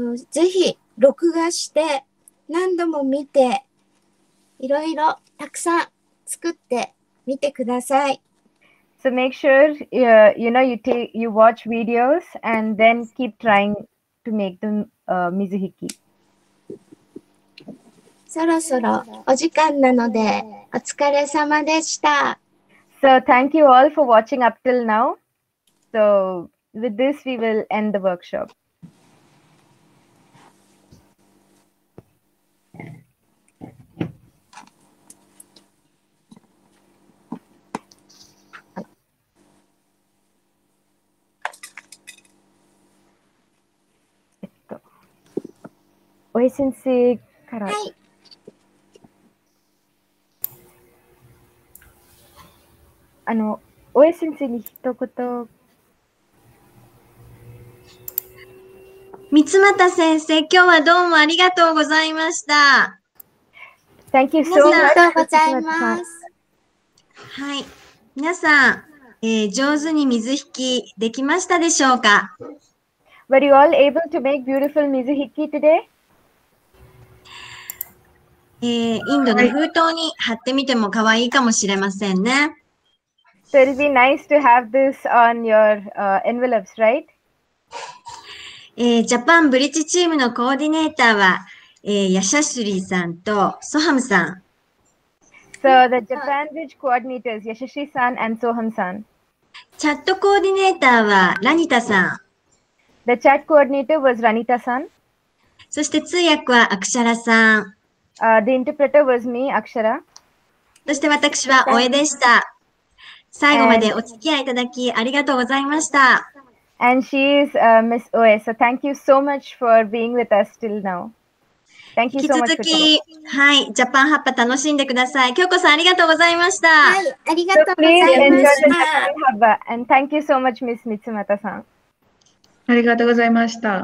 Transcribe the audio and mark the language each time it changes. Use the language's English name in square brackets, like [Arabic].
[Japanese] ぜひ録画して何度も見ていろいろたくさん作ってみてください。 [English] So make sure you know you watch videos and then keep trying. Make them, 水引き。 [Japanese] そろそろお時間なのでお疲れ様でした。 [English] So thank you all for watching up till now. So with this we will end the workshop. [Japanese] おい先生から。はい。あの、おい先生に一言。三ツ俣先生、今日はどうもありがとうございました。 [English] Thank you so much. [Japanese] ありがとうございます。はい。皆さん、上手に水引きできましたでしょうか？ [English] Were you all able to make beautiful 水引き today? [Japanese] インドの封筒に貼ってみても可愛いかもしれませんね。 [English] So it'll be nice to have this on your envelopes, right? [Japanese] ジャパンブリッジチームのコーディネーターは、ヤシャシュリーさんとソハムさん。 [English] So the Japan Bridge coordinators, Yashashri san and Soham san. [Japanese] チャットコーディネーターはラニタさん。 [English] The chat coordinator was Ranita san. [Japanese] そして通訳はアクシャラさん。 [English] The interpreter was me, Akshara. [Japanese] そして私はオエでした。最後までお付き合いいただきありがとうございました。 [English] And she is Miss Oe. So thank you so much for being with us till now. Thank you so much. [Japanese] 引き続き、はい、ジャパンハッパ楽しんでください。京子さん、ありがとうございました。はい、ありがとうございました。 [English] So please enjoy the Japan Habba. And thank you so much, Miss Mitsumata さん。 [Japanese] ありがとうございました。